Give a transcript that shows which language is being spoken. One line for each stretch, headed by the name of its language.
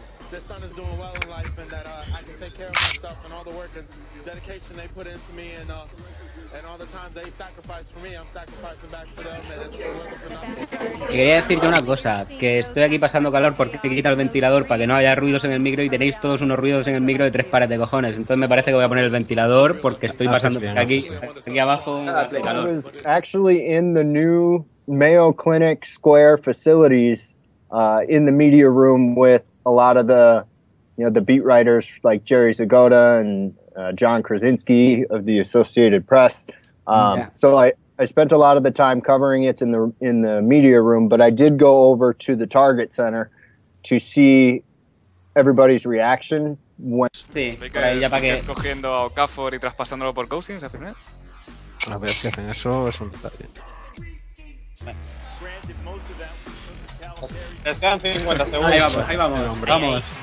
English: This son is doing well in life, and that I can take care of myself, and all the work and dedication they put into me, and all the time they sacrificed for me, I'm sacrificing back for them, and it's been working for them.
Spanish: Y quería decir yo una cosa, que estoy aquí pasando calor porque he quitado el ventilador para que no haya ruidos en el micro y tenéis todos unos ruidos en el micro de tres pares de cojones. Entonces me parece que voy a poner el ventilador porque estoy pasando aquí abajo calor.
English: I was actually in the new Mayo Clinic Square facilities in the media room with a lot of the, you know, the beat writers like Jerry Zagoda and John Krasinski of the Associated Press. So I spent a lot of the time covering it in the media room, but I did go over to the Target Center to see everybody's reaction when.
Spanish: Sí, para ya para que. Escogiendo a Okafor y traspasándolo por Cousins, al final. A ver si hacen eso, es un detalle. Descansen 50 segundos. Ahí vamos.